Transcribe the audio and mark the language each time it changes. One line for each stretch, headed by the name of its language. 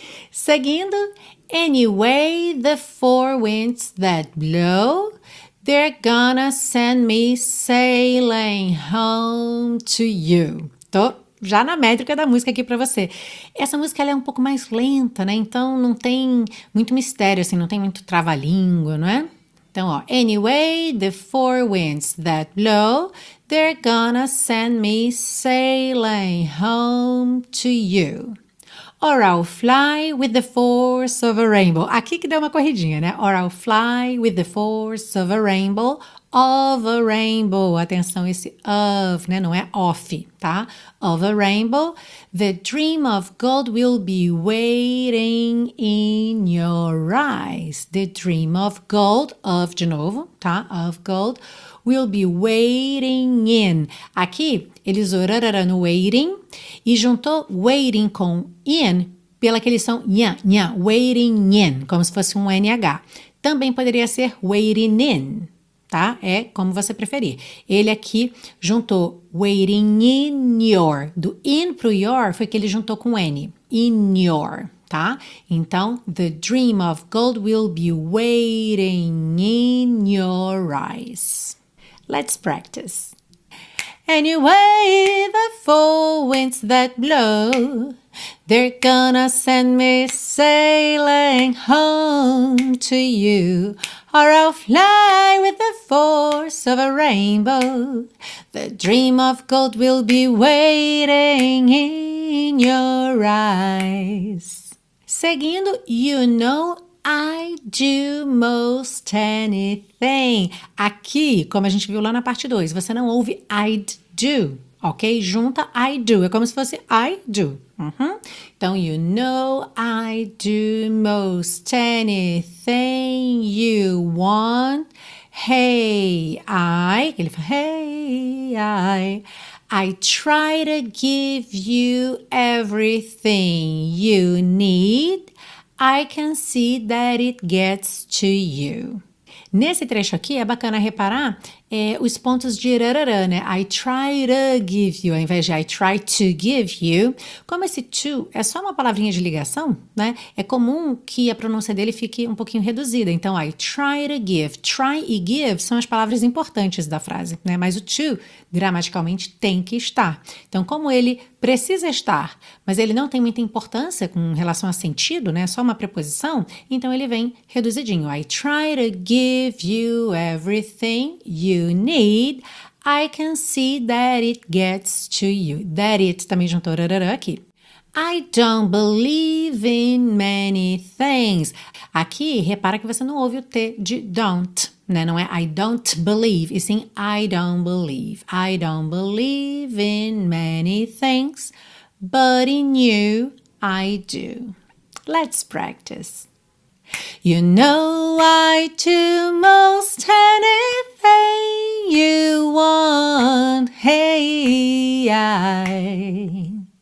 English: Seguindo, anyway, the four winds that blow, they're gonna send me sailing home to you.
Portuguese: Tô já na métrica da música aqui pra você. Essa música ela é um pouco mais lenta, né? Então não tem muito mistério, assim, não tem muito trava-língua, não é? Então, ó,
English: anyway, the four winds that blow, they're gonna send me sailing home to you. Or I'll fly with the force of a rainbow.
Portuguese: Aqui que deu uma corridinha, né?
English: Or I'll fly with the force of a rainbow. Of a rainbow.
Portuguese: Atenção, esse of, né? Não é off, tá?
English: Of a rainbow. The dream of gold will be waiting in your eyes. The dream of gold, of
Portuguese: de novo, tá?
English: Of gold will be waiting in.
Portuguese: Aqui, ele usou rarara no waiting e juntou waiting com in pela que eles são nha, nha, waiting in, como se fosse um NH. Também poderia ser waiting in. Tá? É como você preferir. Ele aqui juntou waiting in your. Do in pro your foi que ele juntou com N.
English: In your, tá?
Portuguese: Então,
English: the dream of gold will be waiting in your eyes. Let's practice. Anyway, the four winds that blow, they're gonna send me sailing home to you. Or I'll fly with the force of a rainbow. The dream of gold will be waiting in your eyes. Seguindo, you know I do most anything.
Portuguese: Aqui, como a gente viu lá na parte 2, você não ouve I'd do, ok? Junta I do, é como se fosse I do.
English: Então, you know I do most anything you want. Hey, I. Ele fala, hey, I try to give you everything you need. I can see that it gets to you.
Portuguese: Nesse trecho aqui, é bacana reparar os pontos de rarara, né?
English: I try to give you,
Portuguese: ao invés de I try to give you. Como esse to é só uma palavrinha de ligação, né? É comum que a pronúncia dele fique um pouquinho reduzida. Então, I try to give. Try e give são as palavras importantes da frase, né? Mas o to, gramaticalmente, tem que estar. Então, como ele precisa estar, mas ele não tem muita importância com relação a sentido, né? Só uma preposição, então ele vem reduzidinho.
English: I try to give you everything you need. I can see that it gets to you.
Portuguese: That it também juntou rarara aqui.
English: I don't believe in many things.
Portuguese: Aqui, repara que você não ouve o T de don't. Né? Não é
English: I don't believe,
Portuguese: e sim I don't believe.
English: I don't believe in many things, but in you I do. Let's practice. You know I do most anything you want. Hey, I.